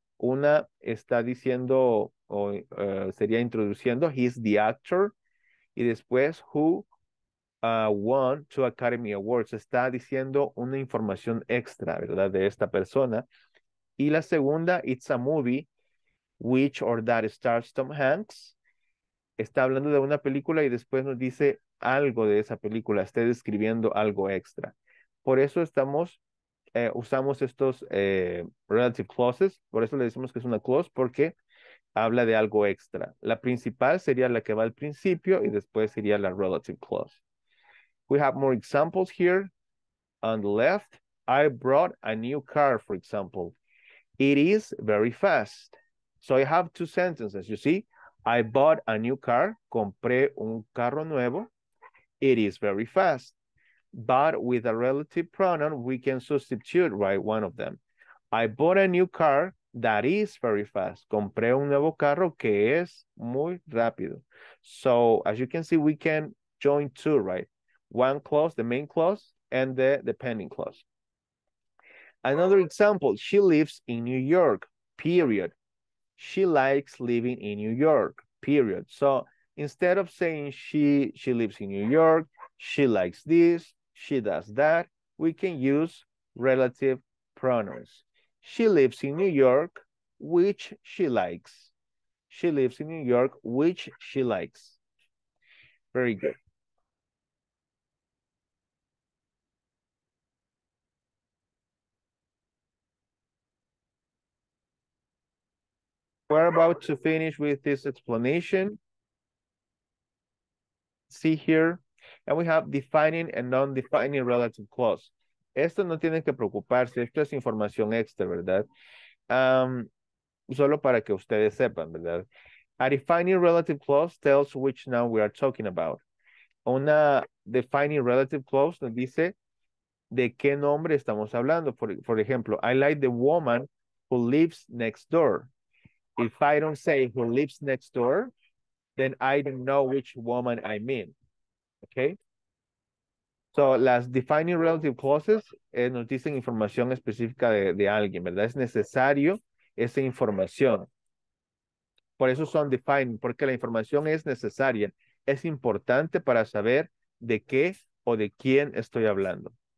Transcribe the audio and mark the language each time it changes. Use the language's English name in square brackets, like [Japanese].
[Spanish] Una está diciendo, o sería introduciendo, [English] he's the actor, [Spanish] y después, [English] who won 2 Academy Awards. [Spanish] Está diciendo una información extra, ¿verdad? De esta persona. Y la segunda, [English] it's a movie, which or that stars Tom Hanks. [Spanish] Está hablando de una película y después nos dice algo de esa película, esté describiendo algo extra. Por eso estamos, usamos estos relative clauses, por eso le decimos que es una clause, porque habla de algo extra. La principal sería la que va al principio y después sería la relative clause. [English] We have more examples here. On the left, I brought a new car, for example. It is very fast. So I have 2 sentences, you see. I bought a new car, [Spanish] compré un carro nuevo. [English] It is very fast. But with a relative pronoun, we can substitute, right, one of them. I bought a new car that is very fast. Compré un nuevo carro que es muy rápido. So as you can see, we can join 2, right? One clause, the main clause, and the dependent clause. Another example, she lives in New York, period. She likes living in New York, period. So instead of saying she lives in New York, she likes this, she does that, we can use relative pronouns. She lives in New York, which she likes. She lives in New York, which she likes. Very good. We're about to finish with this explanation. See here, and we have defining and non-defining relative clause. [Spanish] Esto no tiene que preocuparse, esto es información extra, ¿verdad? Solo para que ustedes sepan, ¿verdad? [English] A defining relative clause tells which noun we are talking about. [Spanish] Una defining relative clause nos dice de qué nombre estamos hablando. [English] For example, I like the woman who lives next door. If I don't say who lives next door, then I don't know which woman I mean. Okay? [Spanish] So, las defining relative clauses nos dicen información específica de alguien, ¿verdad? Es necesario esa información. Por eso son defining, porque la información es necesaria. Es importante para saber de qué o de quién estoy hablando.